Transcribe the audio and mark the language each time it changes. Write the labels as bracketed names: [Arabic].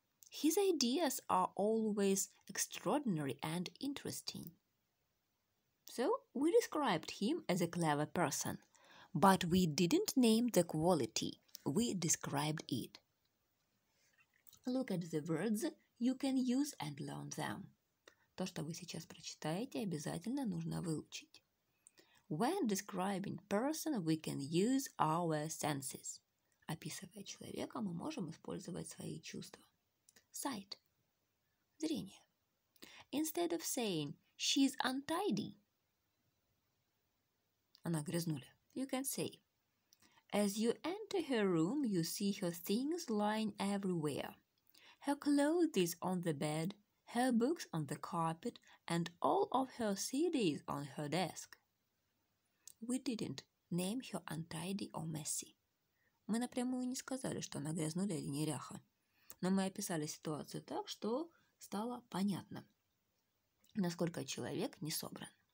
[English] His ideas are always extraordinary and interesting. So we described him as a clever person, but we didn't name the quality, we described it. Look at the words you can use and learn them. [Russian] То, что вы сейчас прочитаете, обязательно нужно выучить. [English] When describing person, we can use our senses. [Russian] Описывая человека, мы можем использовать свои чувства. [English] Sight. [Russian] Зрение. [English] Instead of saying, she's untidy. [Russian] Она грязнуля. [English] You can say, as you enter her room, you see her things lying everywhere. Her clothes on the bed, her books on the carpet, and all of her CDs on her desk. We didn't name her untidy or messy. [Russian] Мы напрямую не сказали, что она грязнуля или неряха. Но мы описали ситуацию так, что стало понятно, насколько человек не собран.